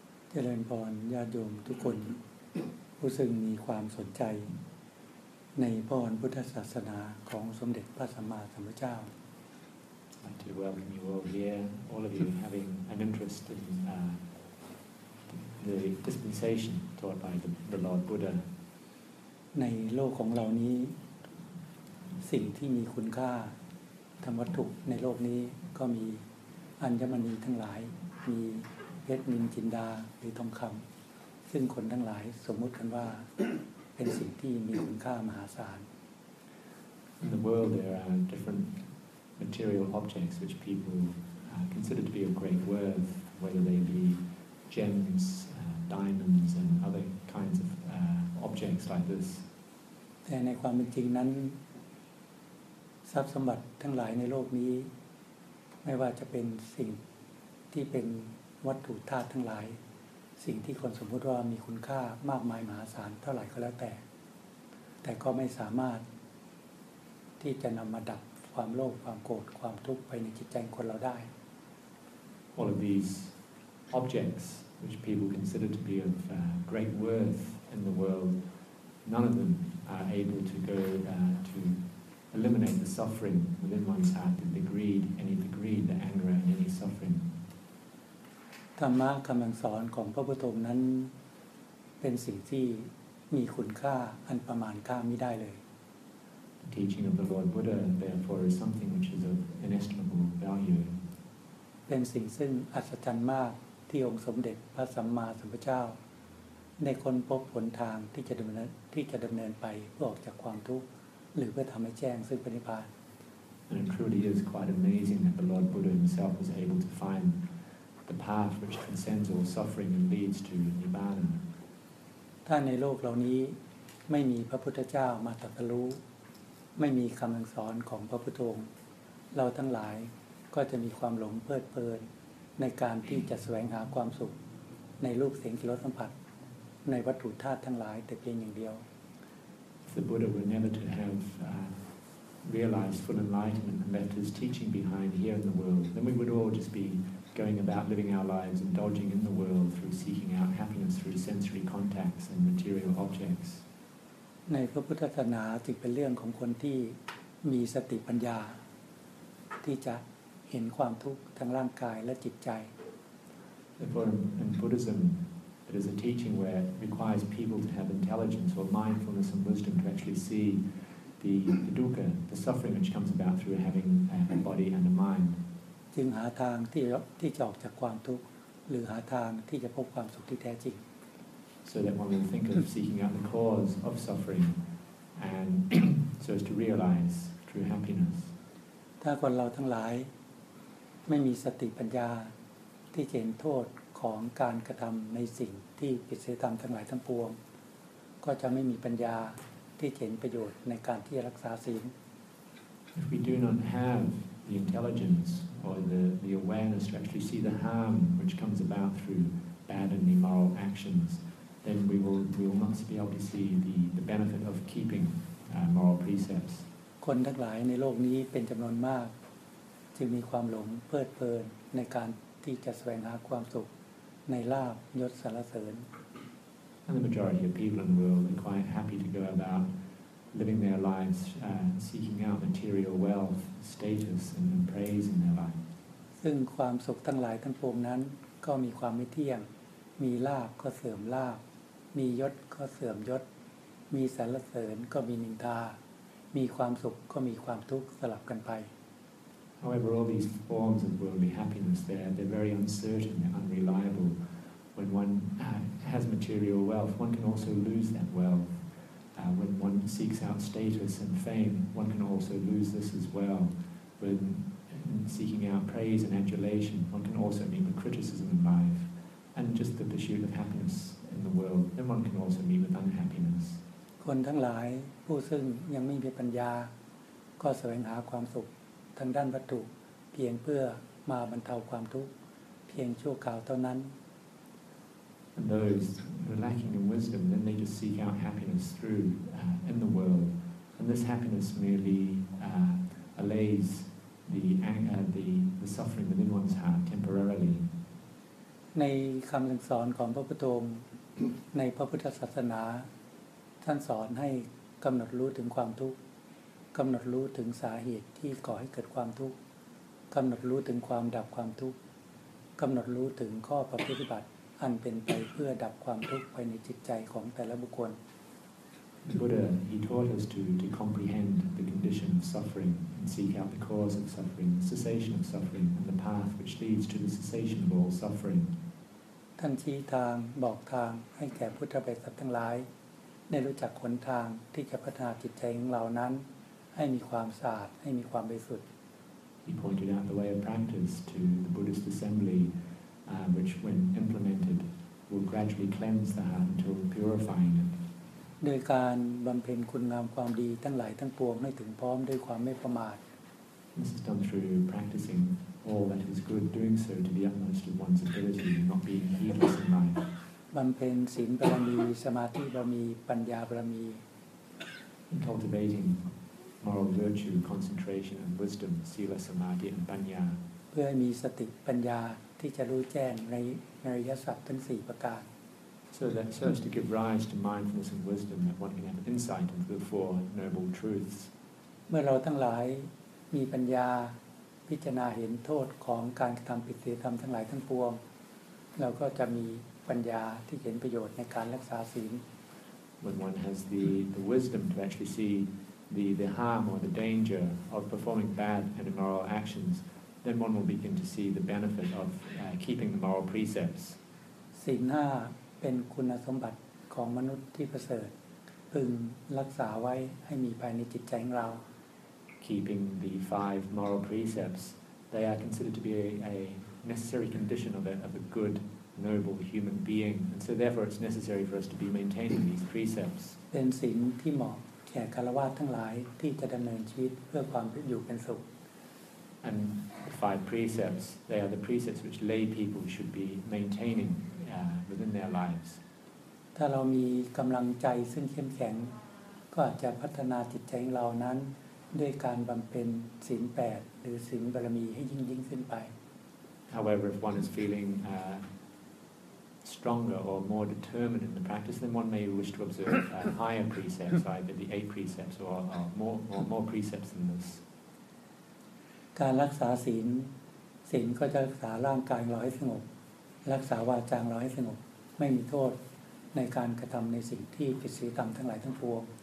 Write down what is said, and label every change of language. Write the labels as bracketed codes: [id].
[th] เจริญพรญาติโยมทุกคนผู้ซึ่งมีความสนใจในพรพุทธศาสนาของสมเด็จพระสัมมาสัมพุทธเจ้า [en] I do welcome you all here, all of you having an interest in the dispensation taught by the Lord Buddha. [th] ในโลกของเรานี้สิ่งที่มีคุณค่าธรรมวัตถุในโลกนี้ก็มีอัญมณีทั้งหลายมีเพชรนินจินดาหรือทองคำซึ่งคนทั้งหลายสมมุติกันว่า เป็นสิ่งที่มีคุณค่ามหาศาล [en] In the world there are different material objects which people consider to be of great worth whether they be gems diamonds and other kinds of objects like this [th] แต่ในความจริงนั้นทรัพย์สมบัติทั้งหลายในโลกนี้ไม่ว่าจะเป็นสิ่งที่เป็นวัตถุธาตุทั้งหลายสิ่งที่คนสมมุติว่ามีคุณค่ามากมายมหาศาลเท่าไหร่ก็แล้วแต่ก็ไม่สามารถที่จะนำมาดับความโลภความโกรธความทุกข์ไปในจิตใจคนเราได้ [en] All of these objects which people consider to be of great worth in the world none of them are able to go to eliminate the suffering within one's heart the greed any the greed the anger and any suffering [th] ธรรมะคำสอนของพระพุทธองค์นั้นเป็นสิ่งที่มีคุณค่าอันประมาณค่ามิได้เลย [en] The teaching of the Lord Buddha therefore is something which is of inestimable value [th] เป็นสิ่งซึ่งอัศจรรย์มากที่องค์สมเด็จพระสัมมาสัมพุทธเจ้าได้ค้นพบหนทางที่จะดำเนินไปออกจากความทุกข์หรือเพื่อทำให้แจ้งซึ่งพระนิพพาน [en] And it truly is quite amazing that the Lord Buddha himself was able to findThe path which transcends all suffering and leads to nibbana. [th] ถ้าในโลกเหล่านี้ไม่มีพระพุทธเจ้ามาตรัสรู้ไม่มีคำสอนของพระพุทธองค์เราทั้งหลายก็จะมีความหลงเพลิดเพลินในการที่จะแสวงหาความสุขในรูปเสียงกลิ่นรสสัมผัสในวัตถุธาตุทั้งหลายแต่เพียงอย่างเดียว [en] The Buddha would never to have realized full enlightenment and left his teaching behind here in the world. Then we would all just be going about living our lives and dodging in the world through seeking out happiness through sensory contacts and material objects [th] ในพระพุทธศาสนาจึงเป็นเรื่องของคนที่มีสติปัญญาที่จะเห็นความทุกข์ทั้งร่างกายและจิตใจ [en] In Buddhism it is a teaching where it requires people to have intelligence or mindfulness and wisdom to actually see the dukkha the suffering which comes about through having a body and a mind [th] จึงหาทางที่จะออกจากความทุกข์หรือหาทางที่จะพบความสุขที่แท้จริง [en] so that one will think of seeking out the cause of suffering and so as to realize true happiness [th] ถ้าคนเราทั้งหลายไม่มีสติปัญญาที่เห็นโทษของการกระทำในสิ่งที่ผิดศีลธรรมทั้งหลายทั้งปวงก็จะไม่มีปัญญาที่เห็นประโยชน์ในการที่จะรักษาศีล [en] if we do not haveThe intelligence or the awareness to actually see the harm which comes about through bad and immoral actions, then we will not be able to see the benefit of keeping moral precepts. [th] คนทั้งหลายในโลกนี้เป็นจำนวนมากจึงมีความหลงเพลิดเพลินในการที่จะแสวงหาความสุขในลาภยศสรรเสริญ [en] And the majority of people in the world are quite happy to go aboutliving their lives seeking out material wealth status and praise in their life [th] ซึ่งความสุขทั้งหลายทั้งปวงนั้นก็มีความไม่เที่ยงมีลาภก็เสื่อมลาภมียศก็เสื่อมยศมีสรรเสริญก็มีนินทามีความสุขก็มีความทุกข์สลับกันไป [en] However all these forms of worldly happiness they're very uncertain and unreliable when one has material wealth one can also lose that wealthWhen one seeks out status and fame, one can also lose this as well. When seeking out praise and adulation, one can also meet with criticism in life. And just the pursuit of happiness in the world, then one can also meet with unhappiness. [th] คนทั้งหลายผู้ซึ่งยังไม่มีปัญญาก็แสวงหาความสุขทางด้านวัตถุเพียงเพื่อมาบรรเทาความทุกข์เพียงชั่วคราวเท่านั้น [en] And those who are lacking in wisdom, then they just seek out happiness through in the world, and this happiness merely allays the anger, the suffering within one's heart temporarily. [th] ในคำสอนของพระพุทโธในพระพุทธศาสนาท่านสอนให้กำหนดรู้ถึงความทุกข์กำหนดรู้ถึงสาเหตุที่ก่อให้เกิดความทุกข์กำหนดรู้ถึงความดับความทุกข์กำหนดรู้ถึงข้อปฏิบัติอันเป็นไปเพื่อดับความทุกข์ภายในจิตใจของแต่ละบุคคล [en] The Buddha, he taught us to comprehend the condition of suffering and seek out the cause of suffering, the cessation of suffering, and the path which leads to the cessation of all suffering. [th] ท่านชี้ทางบอกทางให้แก่พุทธบริษัททั้งหลายได้รู้จักหนทางที่จะพัฒนาจิตใจของเรานั้นให้มีความสะอาดให้มีความบริสุทธิ์ [en] He pointed out the way of practice to the Buddhist assembly, which when implemented will gradually cleanse the heart until purifying it. [th] โดยการบำเพ็ญคุณงามความดีทั้งหลายทั้งปวงให้ถึงพร้อมด้วยความไม่ประมาท [en] This is done through practicing all that is good, doing so to the utmost of one's ability, not being heedless in mind. [th] บำเพ็ญศีลบารมีสมาธิบารมีปัญญาบารมี [en] Cultivating moral virtue, concentration and wisdom, sila samadhi and panya. [th] เพื่อให้มีสติปัญญาที่จะรู้แจ้งในอริยสัจทั้ง4ประการ [en] So that serves to give rise to mindfulness and wisdom, that one can have insight into the four noble truths. [th] เมื่อเราทั้งหลายมีปัญญาพิจารณาเห็นโทษของการกระทำผิดศีลธรรมทั้งหลายทั้งปวงเราก็จะมีปัญญาที่เห็นประโยชน์ในการรักษาศีล [en] When one has the wisdom to actually see the harm or the danger of performing bad and immoral actions, then one will begin to see the benefit of keeping the moral precepts. [th] ศีลห้าเป็นคุณสมบัติของมนุษย์ที่ประเสริฐพึงรักษาไว้ให้มีภายในจิตใจของเรา [en] Keeping the five moral precepts, they are considered to be a necessary condition of a good, noble human being, and so therefore it's necessary for us to be maintaining these precepts. [th] เป็นศีลที่เหมาะแก่คฤหัสถ์ทั้งหลายที่จะดำเนินชีวิตเพื่อความอยู่เป็นสุข [en] And the five precepts, they are the precepts which lay people should be maintaining within their lives. [th] ถ้าเรามีกำลังใจซึ่งเข้มแข็งก็อาจจะพัฒนาจิตใจของเรานั้นด้วยการบำเพ็ญศีล8หรือศีลบารมีให้ยิ่งขึ้นไป [en] However, if one is feeling stronger or more determined in the practice, then one may wish to observe higher precepts, either the 8 precepts or more precepts than this. [th] การรักษาศีลศีลก็จะรักษาร่างกายเราให้สงบรักษาวาจาเราให้สงบไม่มีโทษในการกระทำในสิ่งที่ผิดศีลธรรมทั้งหลายทั้งปวง